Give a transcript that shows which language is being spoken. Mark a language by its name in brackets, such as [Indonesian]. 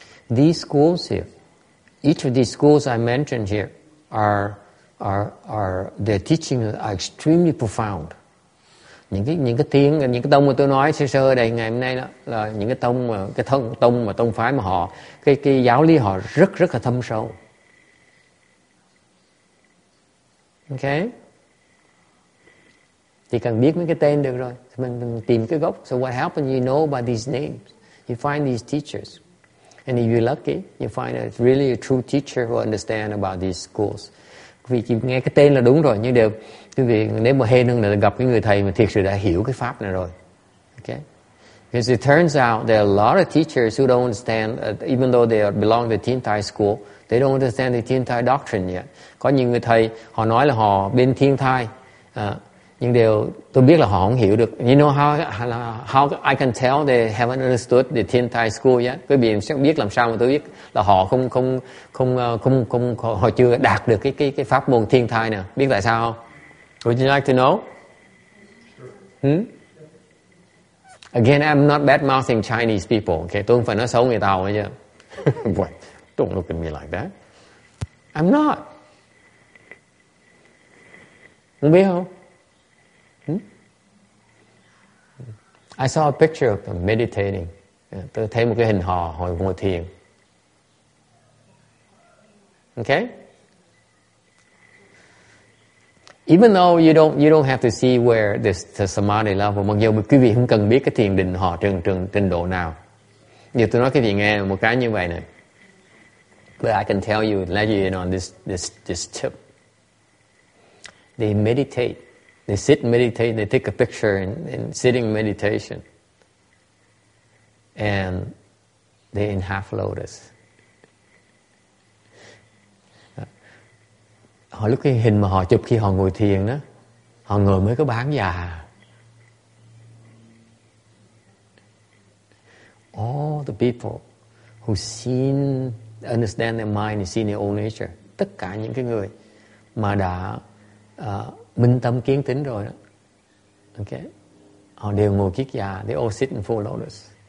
[English] These schools here, each of these schools I mentioned here, are their teachings are extremely profound. [Vietnamese] Những cái tiếng, những cái tông mà tôi nói sơ sơ đây ngày hôm nay đó là những cái tông mà cái thân tông mà tông phái mà họ cái giáo lý họ rất rất là thâm sâu. Ok, chỉ cần biết mấy cái tên được rồi, mình tìm cái gốc. [English] So what happens, you know about these names, you find these teachers, and if you're lucky you find a really a true teacher who understand about these schools. [Vietnamese] Vì chỉ nghe cái tên là đúng rồi, nhưng đều quý vị nếu mà hên hơn là gặp cái người thầy mà thiệt sự đã hiểu cái pháp này rồi. [English] Okay, because it turns out there are a lot of teachers who don't understand, even though they belong to the Thiên Thai school, they don't understand the Thiên Thai doctrine yet. [Vietnamese] Có những người thầy họ nói là họ bên Thiên Thai, nhưng đều tôi biết là họ không hiểu được. [English] You know how I can tell they haven't understood the Thiên Thai school yet? [Vietnamese] Quý vị sẽ biết làm sao mà tôi biết là họ không họ chưa đạt được cái pháp môn Thiên Thai nè. Biết tại sao không? [English] Would you like to know? Again, I'm not bad-mouthing Chinese people. [Vietnamese] Okay, tôi không phải nói xấu người Tàu ấy chứ. [English] What? Don't look at me like that. I'm not. [Vietnamese] Không biết không? [English] I saw a picture of them meditating. [Vietnamese] Tôi thấy một cái hình họ hồi ngồi thiền. [English] Okay? Even though you don't have to see where this the samadhi level, [Vietnamese] mặc dù quý vị không cần biết cái thiền định họ trình độ nào. Nhưng tôi nói cái gì nghe một cái như vậy này. [English] But I can tell you, let you in on this tip. They meditate. They sit and meditate. They take a picture in sitting meditation. And they're in half lotus. [Vietnamese] Họ lúc cái hình mà họ chụp khi họ ngồi thiền đó, họ ngồi mới có bán già. [English] All the people who seen, understand their mind and seen their own nature, [Vietnamese] tất cả những cái người mà đã minh tâm kiến tính rồi đó, okay, họ đều ngồi kiết già. [English] They all sit in full lotus.